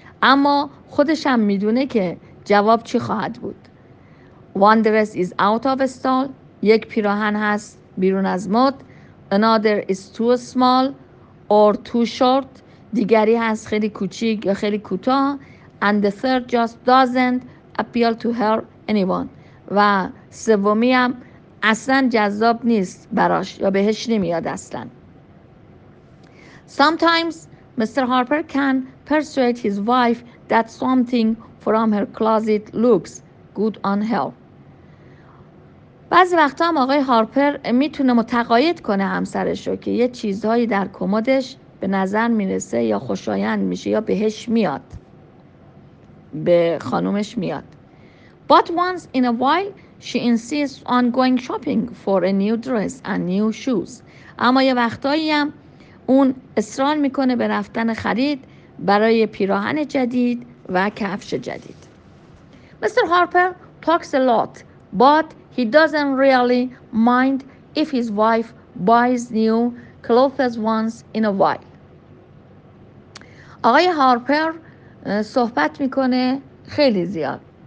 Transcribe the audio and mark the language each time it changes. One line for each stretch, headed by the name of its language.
Persian: اما خودش هم میدونه که جواب چی خواهد بود.
English: One dress is out of style.
Persian: یک پیراهن هست بیرون از مد.
English: Another is too small or too short.
Persian: دیگری هست خیلی کوچیک یا خیلی کوتاه.
English: And the third just doesn't appeal to her anyone.
Persian: و سومی هم اصلا جذاب نیست براش یا بهش نمیاد اصلا.
English: Sometimes Mr. Harper can persuade his wife that something from her closet looks good on her.
Persian: بعضی وقتا هم آقای هارپر میتونه متقاعد کنه همسرشو که یه چیزهایی در کمدش به نظر میرسه یا خوشایند میشه یا بهش میاد. به خانومش میاد.
English: But once in a while she insists on going shopping for a new dress and new shoes.
Persian: اما یه وقتایی هم اون اصرار میکنه به رفتن خرید برای پیراهن جدید و کفش جدید.
English: Mr. Harper talks a lot, but he doesn't really mind if his wife buys new clothes once in a while.
Persian: آقای هارپر صحبت میکنه خیلی زیاد.